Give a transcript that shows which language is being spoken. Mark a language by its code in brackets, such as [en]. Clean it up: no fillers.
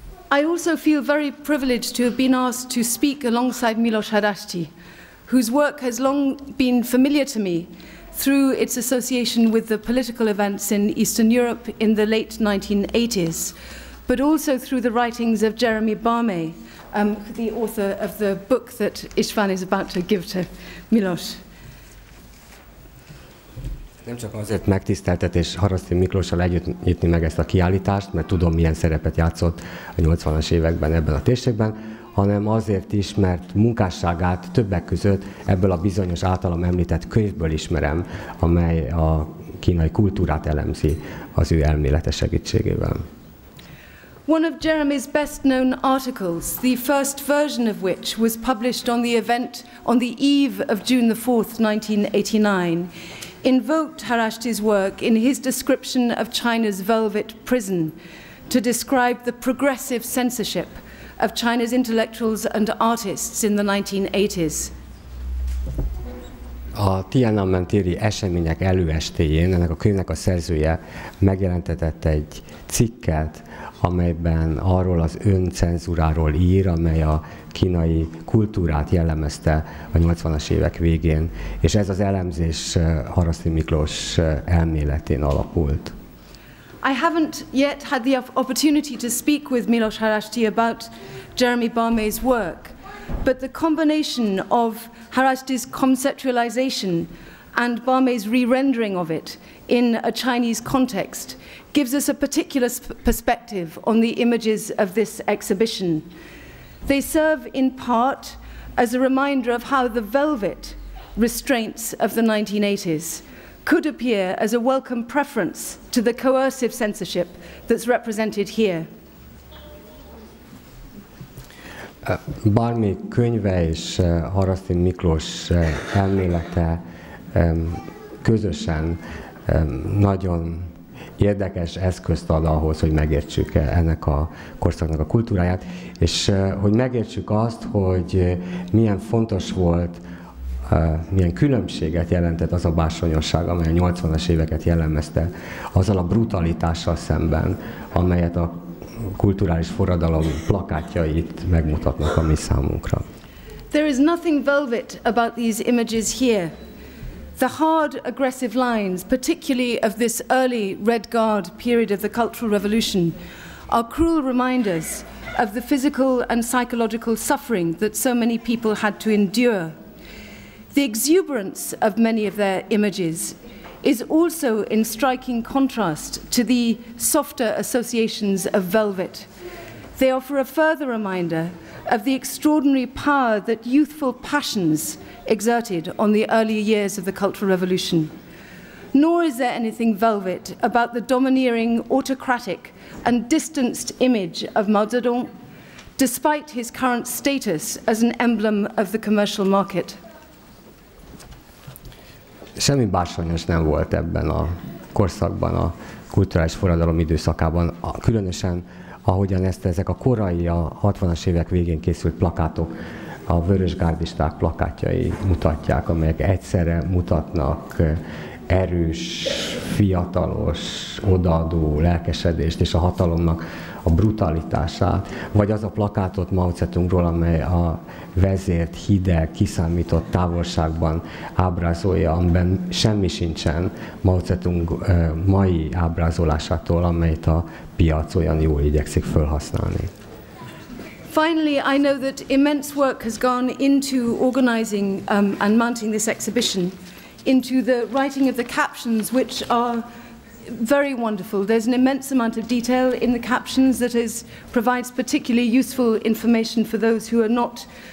[en] I also feel very privileged to have been asked to speak alongside Miklós Haraszti, whose work has long been familiar to me through its association with the political events in Eastern Europe in the late 1980s, but also through the writings of Jeremy Barme, the author of the book that István is about to give to Miklós. [hu] Nem csak azért megtiszteltetés Haraszti Miklóssal együtt nyitni meg ezt a kiállítást, mert tudom, milyen szerepet játszott a 80-as években ebben a térségben, hanem azért is, mert munkásságát többek között ebből a bizonyos általam említett könyvből ismerem, amely a kínai kultúrát elemzi az ő elmélete segítségével. [en] One of Jeremy's best-known articles, the first version of which was published on the event on the eve of June the 4th, 1989, invoked Haraszti's work in his description of China's velvet prison to describe the progressive censorship of China's intellectuals and artists in the 1980s. [hu] A Tiananmen-téri események előestéjén ennek a könyvnek a szerzője megjelentetett egy cikket, amelyben arról az öncenzúráról ír, amely a kínai kultúrát jellemezte a 80-as évek végén, és ez az elemzés Haraszti Miklós elméletén alapult. [en] I haven't yet had the opportunity to speak with Miklós Haraszti about Jeremy Barme's work, but the combination of Haraszti's conceptualization and Barme's re-rendering of it in a Chinese context gives us a particular perspective on the images of this exhibition. They serve in part as a reminder of how the velvet restraints of the 1980s could appear as a welcome preference to the coercive censorship that's represented here. [hu] Barme könyve és Haraszti Miklós elmélete közösen nagyon érdekes eszközt ad ahhoz, hogy megértsük ennek a korszaknak a kultúráját, és hogy megértsük azt, hogy milyen fontos volt, milyen különbséget jelentett az a bársonyosság, amely a 80-as éveket jellemezte, azzal a brutalitással szemben, amelyet a kulturális forradalom plakátjait megmutatnak a mi számunkra. [en] There is nothing velvet about these images here. The hard, aggressive lines, particularly of this early Red Guard period of the Cultural Revolution, are cruel reminders of the physical and psychological suffering that so many people had to endure. The exuberance of many of their images is also in striking contrast to the softer associations of velvet. They offer a further reminder of the extraordinary power that youthful passions exerted on the early years of the Cultural Revolution. Nor is there anything velvet about the domineering, autocratic, and distanced image of Mao Zedong, despite his current status as an emblem of the commercial market. [hu] Semmi bársonyos nem volt ebben a korszakban, a kulturális forradalom időszakában, különösen ahogyan ezt ezek a korai, a 60-as évek végén készült plakátok, a vörösgárdisták plakátjai mutatják, amelyek egyszerre mutatnak erős, fiatalos, odaadó lelkesedést és a hatalomnak a brutalitását, vagy az a plakátot Mao Zedongról, amely a vezért hideg, kiszámított távolságban ábrázolja, amiben semmi sincsen Mao Zedong mai ábrázolásától, amelyet a piac olyan jól igyekszik felhasználni. [en] Finally, I know that immense work has gone into organizing and mounting this exhibition, into the writing of the captions, which are very wonderful. There's an immense amount of detail in the captions that provides particularly useful information for those who are not